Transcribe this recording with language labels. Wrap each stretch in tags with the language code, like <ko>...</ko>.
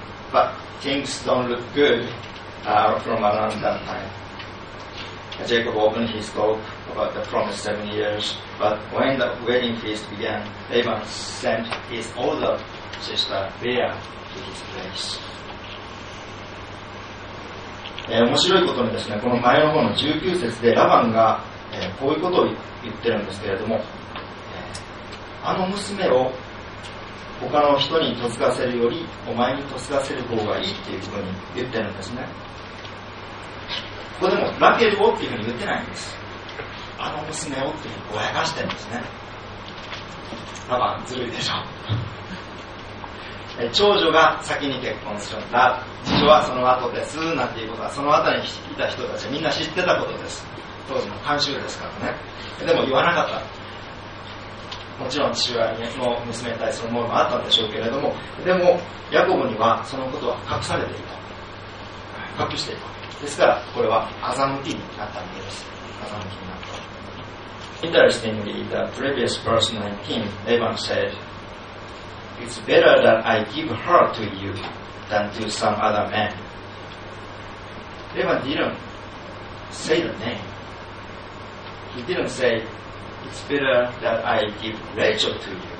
<en>But things don't look good from around that time. Jacob opened his talk about the promised 7 years, but when the wedding feast began, Laban sent his older sister Leah to his place.</en> <ja>面白いことにですね、この前の方の19節でラバンが、こういうことを言ってるんですけれども、あの娘を他の人に嫁がせるよりお前に嫁がせる方がいいっていうふうに言ってるんですね。ここでもラケルをっていうふうに言ってないんです。あの娘をっていうふうにぼやかしてるんですね。ラバンずるいでしょ。長女が先に結婚するんだ、次女はその後ですなんていうことは、その後にいた人たちはみんな知ってたことです。当時の慣習ですからね。でも言わなかった。もちろん父親の娘に対する思いもあったんでしょうけれども、でもヤコブにはそのことは隠されていた、隠していた。ですから、これは欺きになったわけです。欺きになった。</ja> <en>Interestingly, the previous verse 19, Laban said, It's better that I give her to you than to some other man. Laban didn't say the name. He didn't say, It's better that I give Rachel to you.</en>